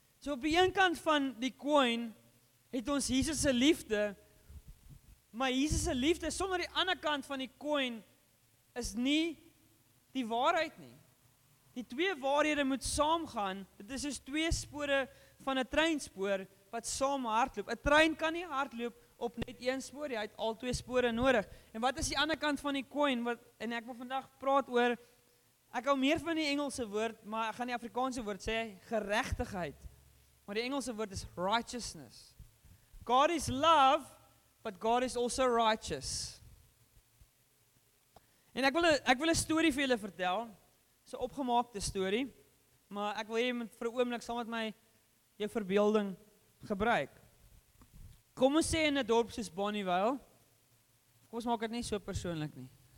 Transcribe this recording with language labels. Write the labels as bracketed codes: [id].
[af] So op die een kant van die coin, het ons Jesus se liefde, maar Jesus se liefde, sonder die ander kant van die coin, is nie die waarheid nie. Die twee waarhede moet saamgaan, dit is soos twee spore van 'n treinspoor, wat saam hardloop. 'N trein kan nie hardloop op net een spoor, jy het al twee spore nodig. En wat is die ander kant van die coin, wat, en ek wil vandag praat oor, ek hou meer van die Engelse woord, maar ek gaan die Afrikaanse woord sê, geregtigheid. Maar die Engelse woord is righteousness. [en] God is love, but God is also righteous. [af] En ek wil 'n story vir julle vertel, so opgemaakte story, maar ek wil hier met vir 'n oomblik saam met my jou verbeelding gebruik. Kom ons sê in 'n dorp soos Bonnievale, kom ons maak dit nie so persoonlik nie.